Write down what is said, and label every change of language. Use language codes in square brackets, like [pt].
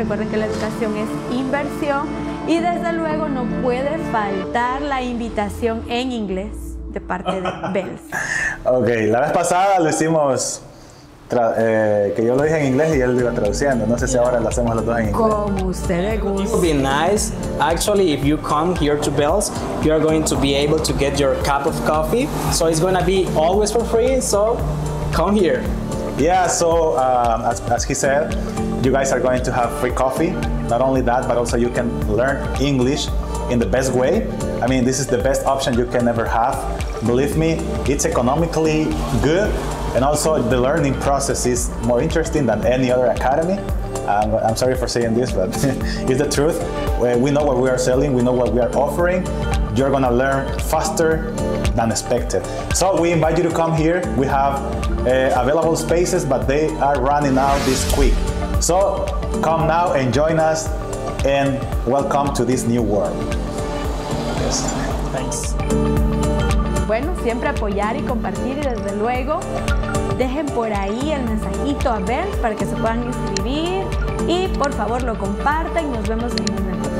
[es] Recuerden que la educación es inversión. Y desde luego no puede faltar la invitación en inglés de parte de Bells. Ok, la vez pasada lo hicimos, que yo lo dije en inglés y él lo iba traduciendo. No sé si ahora lo hacemos los dos en inglés. Como ustedes gusten. [en] It would be nice, actually, if you come here to Bells, you are going to be able to get your cup of coffee. So it's going to be always for free, so come here. Yeah, so as he said, you guys are going to have free coffee. Not only that, but also you can learn English in the best way. I mean, this is the best option you can ever have. Believe me, it's economically good. And also the learning process is more interesting than any other academy. I'm sorry for saying this, but it's the truth. We know what we are selling. We know what we are offering. You're gonna learn faster than expected. So we invite you to come here. We have available spaces, but they are running out this quick. So come now and join us and welcome to this new world. Yes. Thanks. [es] Bueno, siempre apoyar y compartir y desde luego dejen por ahí el mensajito a Bells para que se puedan inscribir y por favor lo compartan y nos vemos en el próximo.